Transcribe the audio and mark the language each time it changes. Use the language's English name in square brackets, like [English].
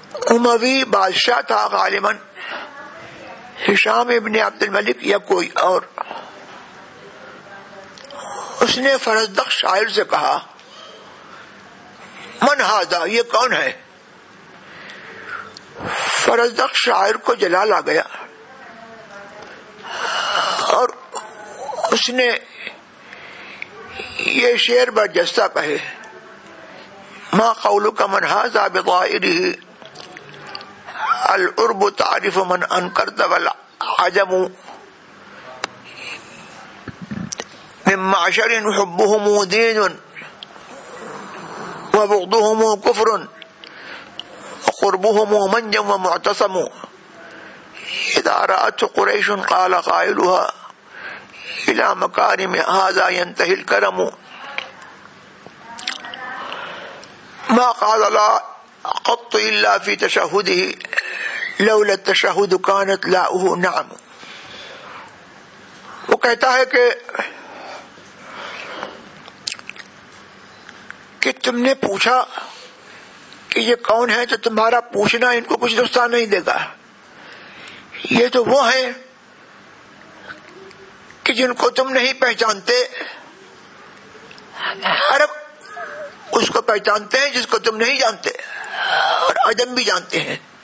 [Urdu] اموی بادشاہ تھا غالباً ہشام ابن عبد الملک یا کوئی اور، اس نے فرزدق شاعر سے کہا [Arabic] من ہذا، [Urdu] یہ کون ہے؟ فرزدق شاعر کو جلال آ گیا اور اس نے یہ شعر برجستہ کہے [Arabic] ما قولک من ھذا بضائره العرب تعرف من انکرت والعجم من معشر حبهم دین وبغضهم كفر وقربهم منجا ومعتصم اذا رأت قريش قال قائلها الى مكارم هذا ينتهي الكرم ما قال لا قط الا في تشهده لولا التشهد كانت لاؤه نعم. [Urdu] وكہتا ہے کہ تم نے پوچھا کہ یہ کون ہے تو تمہارا پوچھنا ان کو کچھ نقصان نہیں دے گا, یہ تو وہ ہیں کہ جن کو تم نہیں پہچانتے, عرب اس کو پہچانتے ہیں جس کو تم نہیں جانتے اور عجم بھی جانتے ہیں.